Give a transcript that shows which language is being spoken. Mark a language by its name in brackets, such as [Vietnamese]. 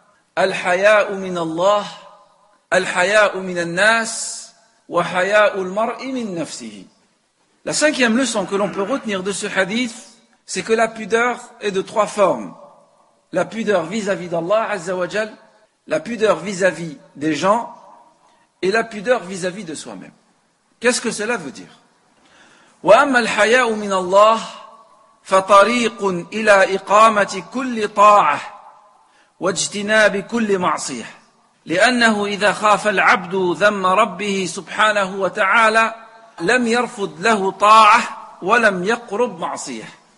[Arabic] الحياء من الله الحياء من الناس وحياء المرء من نفسه. [French] La cinquième leçon que l'on peut retenir de ce hadith, c'est que la pudeur est de trois formes: la pudeur vis-à-vis d'Allah Azza wa Jal, la pudeur vis-à-vis des gens et la pudeur vis-à-vis de soi-même. Qu'est-ce que cela veut dire? [Arabic] وأما الحياء من الله فطريق إلى إقامة كل طاعة واجتناب كل معصية، لأنه إذا خاف العبد ذم ربه سبحانه وتعالى لم يرفض له طاعة ولم يقرب معصية،